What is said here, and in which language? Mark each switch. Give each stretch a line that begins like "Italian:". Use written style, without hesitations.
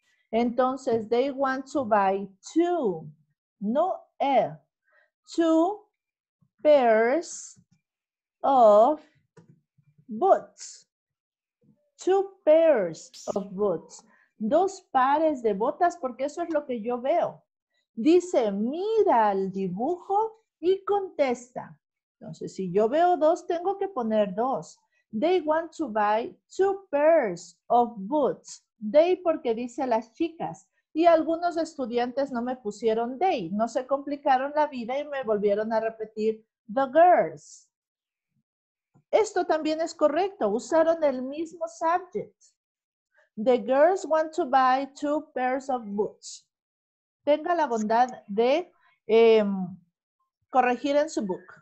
Spanish: Entonces,
English: they want to buy two. No, two pairs of boots, two pairs of boots,
Spanish: dos pares de botas, porque eso es lo que yo veo. Dice, mira el dibujo y contesta. Entonces, si yo veo dos, tengo que poner dos.
English: They want to buy two pairs of boots.
Spanish: They, porque dice las chicas. Y algunos estudiantes no me pusieron they, no se complicaron la vida y me volvieron a repetir
English: the girls.
Spanish: Esto también es correcto. Usaron el mismo subject.
English: The girls want to buy two pairs of boots.
Spanish: Tenga la bondad de corregir en su book.